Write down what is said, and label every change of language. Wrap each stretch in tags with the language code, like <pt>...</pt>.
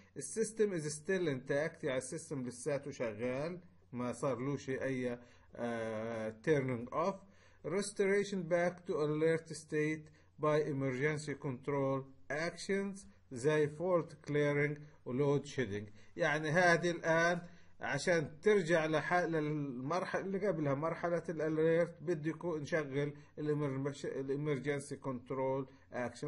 <ar>السيستم</ar> <en>is still intact</en> <ar>يعني السيستم لساته شغال ما صار له شيء اي</ar> <en>turning off. restoration back to alert state by emergency control actions زي fault clearing و load shedding.</en> <ar>يعني هذه الآن عشان ترجع للمرحلة اللي قبلها، مرحلة الالرت، بدي نشغل الامرجنسي كنترول اكشن.</ar>